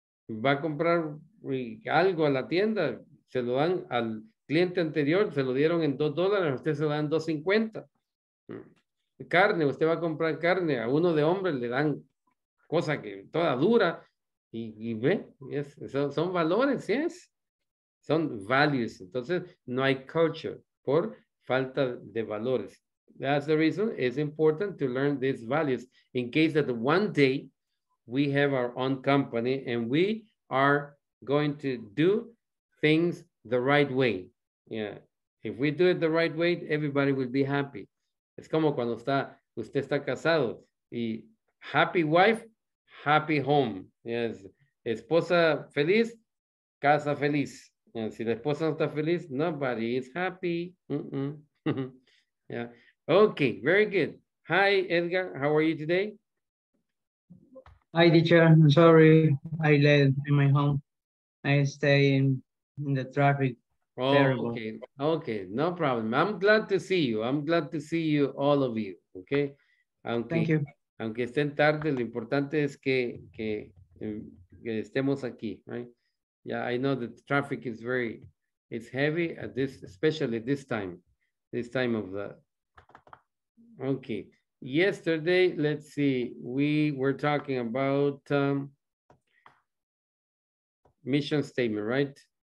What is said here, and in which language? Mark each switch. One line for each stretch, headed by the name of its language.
Spanish: Va a comprar algo a la tienda, se lo dan al cliente anterior, se lo dieron en $2, usted se lo dan 2.50. Carne, usted va a comprar carne, a uno de hombre le dan cosa que toda dura y ve, yes, son valores, yes, son values. Entonces no hay culture por falta de valores.
English: That's the reason it's important to learn these values in case that one day we have our own company and we are going to do things the right way. Yeah, if we do it the right way, everybody will be happy.
Spanish: Es como cuando usted está casado y
English: happy wife, happy home.
Spanish: Yes. Esposa feliz, casa feliz. Yes. Si la esposa no está feliz,
English: nobody is happy.
Spanish: Mm-mm. Yeah.
English: Okay, very good. Hi, Edgar. How are you today? Hi, teacher. I'm sorry. I left in my home. I stay in the traffic. Okay, no problem. I'm glad to see you. I'm glad to see you, all of you. Okay. Thank you.
Spanish: Aunque estén tarde, lo importante es que estemos aquí, right?
English: Yeah, I know the traffic is it's heavy at this, especially this time of the. Okay. Yesterday, let's see, we were talking about mission statement, right?